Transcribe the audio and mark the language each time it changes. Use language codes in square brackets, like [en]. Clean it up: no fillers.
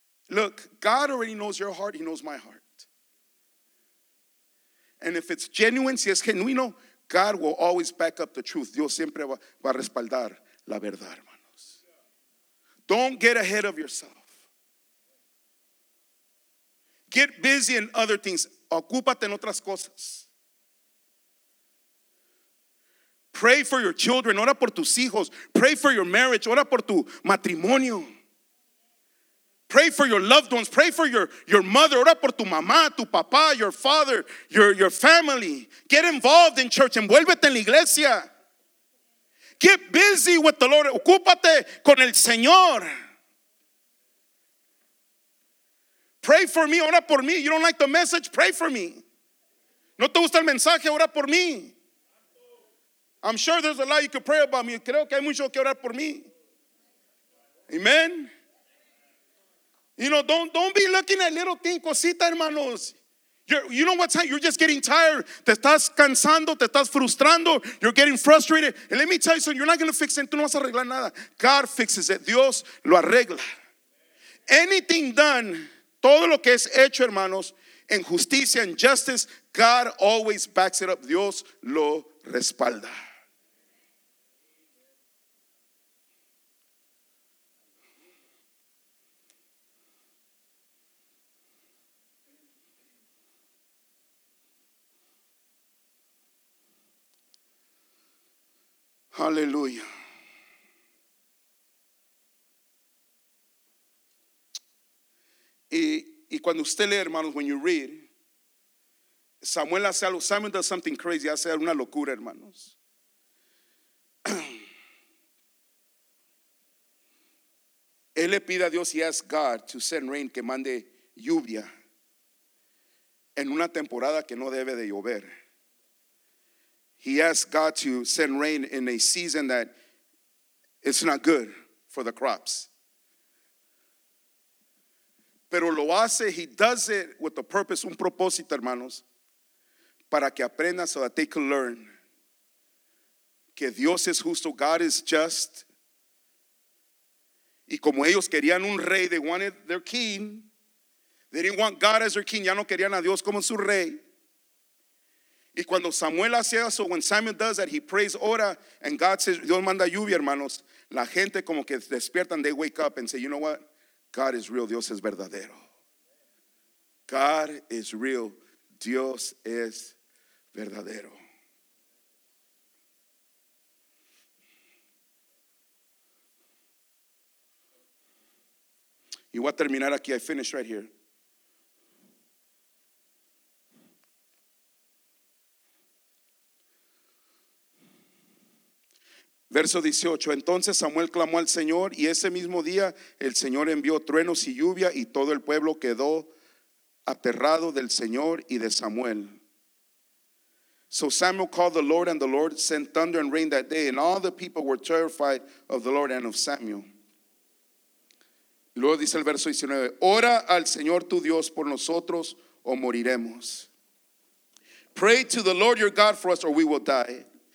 [en] Look, God already knows your heart. He knows my heart. And if it's genuine, [es] si es genuino, [en] God will always back up the truth. [es] Dios siempre va a respaldar la verdad, hermanos. [en] Don't get ahead of yourself. Get busy in other things. [es] Ocúpate en otras cosas. [en] Pray for your children. [es] Ora por tus hijos. [en] Pray for your marriage. [es] Ora por tu matrimonio. [en] Pray for your loved ones. Pray for your mother. [es] Ora por tu mamá, tu papá, [en] your father, your family. Get involved in church. [es] Envuélvete en la iglesia. [en] Get busy with the Lord. [es] Ocúpate con el Señor. [en] Pray for me. [es] Ora por mí. [en] You don't like the message? Pray for me. [es] ¿No te gusta el mensaje? Ora por mí. [en] I'm sure there's a lot you could pray about me. [es] Creo que hay mucho que orar por mí. [en] Amen. You know, don't be looking at little things, [es] cosita, hermanos. [en] You know what's happening? You're just getting tired. [es] Te estás cansando, te estás frustrando. [en] You're getting frustrated. And let me tell you something. You're not going to fix it. [es] Tú no vas a arreglar nada. [en] God fixes it. [es] Dios lo arregla. [en] Anything done, [es] todo lo que es hecho, hermanos, en justicia, en [en] justice, God always backs it up. [es] Dios lo respalda. Aleluya. Cuando usted lee, hermanos, [en] when you read, [es] Samuel hace algo. [en] Samuel does something crazy. [es] Hace una locura, hermanos. Él le pide a Dios, [en] he asks God to send rain, [es] que mande lluvia en una temporada que no debe de llover. [en] He asks God to send rain in a season that it's not good for the crops. [es] Pero lo hace, [en] he does it with a purpose, [es] un propósito, hermanos, para que aprenda, [en] so that they can learn [es] que Dios es justo, [en] God is just. [es] Y como ellos querían un rey, [en] they wanted their king. They didn't want God as their king. [es] Ya no querían a Dios como su rey. Y cuando Samuel hace eso, [en] when Samuel does that, he prays, [es] ora, [en] and God says, [es] Dios manda lluvia, hermanos. La gente como que despiertan, [en] they wake up and say, you know what? God is real. [es] Dios es verdadero. [en] God is real. [es] Dios es verdadero. Y voy a terminar aquí. [en] I finish right here. [es] Verso 18, entonces Samuel clamó al Señor y ese mismo día el Señor envió truenos y lluvia y todo el pueblo quedó aterrado del Señor y de Samuel. [en] So Samuel called the Lord and the Lord sent thunder and rain that day and all the people were terrified of the Lord and of Samuel. [es] Luego dice el verso 19, ora al Señor tu Dios por nosotros o moriremos. [en] Pray to the Lord your God for us or we will die.